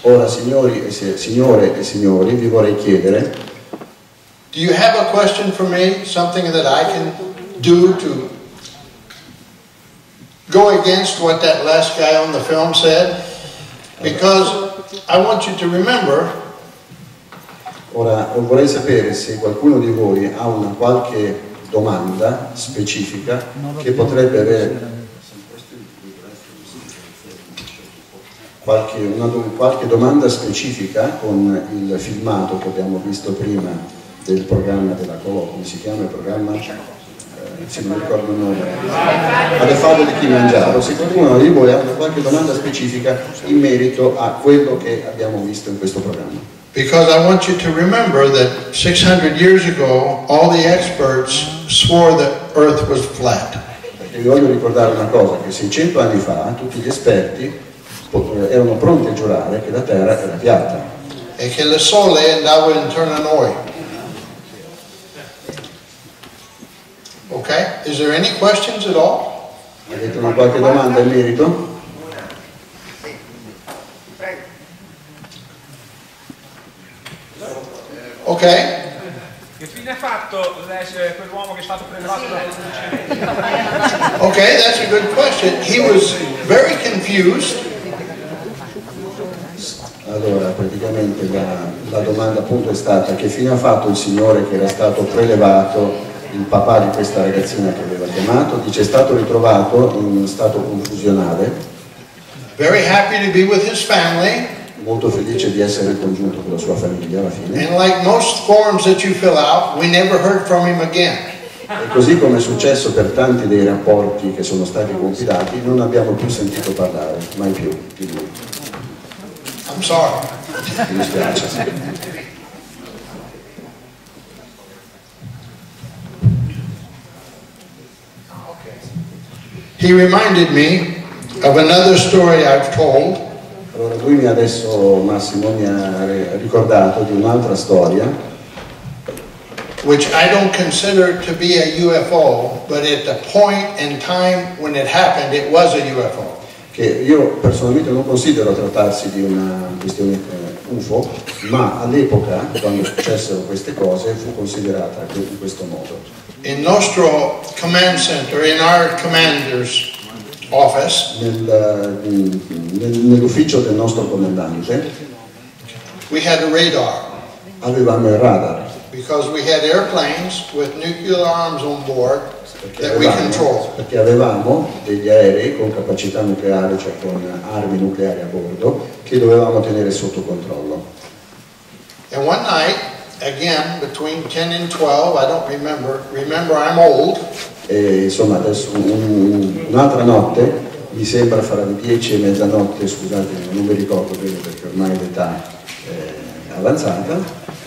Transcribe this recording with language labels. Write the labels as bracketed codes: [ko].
[it] Ora signore e signori, vi vorrei chiedere. [en] Do you have a question for me? Something that I can do to go against what that last guy on the film said? Because I want you to remember. [it] Ora vorrei sapere se qualcuno di voi ha una qualche domanda specifica che potrebbe avere qualche domanda specifica con il filmato che abbiamo visto prima del programma della Colò, come si chiama il programma? Se non ricordo il nome, alle favole di Kilimanjaro. Se qualcuno di voi ha qualche domanda specifica in merito a quello che abbiamo visto in questo programma. [en] Because I want you to remember that 600 years ago all the experts swore that earth was flat. [it] Perché vi voglio ricordare una cosa, che 600 anni fa tutti gli esperti erano pronti a giurare che la terra era piatta. E che il sole andava intorno a noi. [en] Okay, is there any questions at all? [it] Avete una qualche domanda in merito? Ok. Che fine ha fatto quell'uomo che è stato prelevato dal [en] Okay, that's a good question. He was very confused. [it] Allora, praticamente la domanda appunto è stata che fine ha fatto il signore che era stato prelevato, il papà di questa ragazzina che aveva chiamato, dice è stato ritrovato in uno stato confusionale. [en] Very happy to be with his family. [it] Molto felice di essere congiunto con la sua famiglia alla fine. [en] And like most forms that you fill out, we never heard from him again. [it] E così come è successo per tanti dei rapporti che sono stati compilati, non abbiamo più sentito parlare, mai più di lui. [en] I'm sorry. [it] Mi dispiace. [en] He reminded me of another story I've told. [it] Allora lui mi adesso, Massimo, mi ha ricordato di un'altra storia. [en] Which I don't consider to be a UFO, but at the point in time when it happened, it was a UFO. [it] Che io personalmente non considero trattarsi di una questione UFO, ma all'epoca, quando successero queste cose, fu considerata in questo modo. il nostro [en] command center, in our commander's office, [it] nell'ufficio del nostro comandante, [en] we had a radar. [it] Avevamo il radar. [en] Because we had airplanes with nuclear arms on board that we controlled. [it] Perché avevamo degli aerei con capacità nucleare, cioè con armi nucleari a bordo, che dovevamo tenere sotto controllo. [en] And one night, again, between 10 and 12, I don't remember, I'm old. [it] E insomma, adesso un'altra notte, mi sembra fra le 10 e mezzanotte, scusate, non mi ricordo bene perché ormai l'età è avanzata.